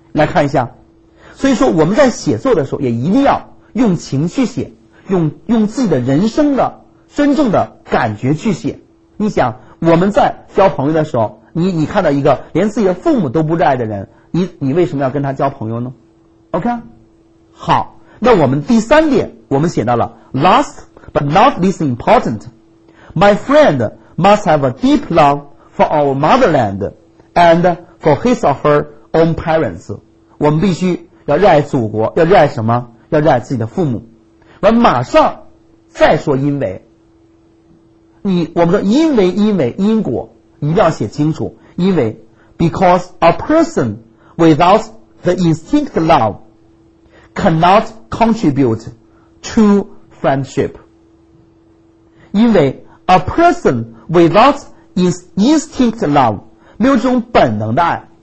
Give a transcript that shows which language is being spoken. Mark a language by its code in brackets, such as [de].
[zh] 来看一下，所以说我们在写作的时候也一定要用情去写，用自己的人生的真正的感觉去写。你想我们在交朋友的时候，你看到一个连自己的父母都不热爱的人，你为什么要跟他交朋友呢？ [en] OK， [zh] 好，那我们第三点我们写到了 [en] last but not least important， my friend must have a deep love for our motherland and for his or her own parents。 [zh] 我们必须要热爱祖国，要热爱什么？要热爱自己的父母。我们马上再说因为，我们说因为因果一定要写清楚。 [en] 因为 because a person without the instinct love cannot contribute to friendship， 因为 a person without instinct love [zh] 没有这种本能的爱。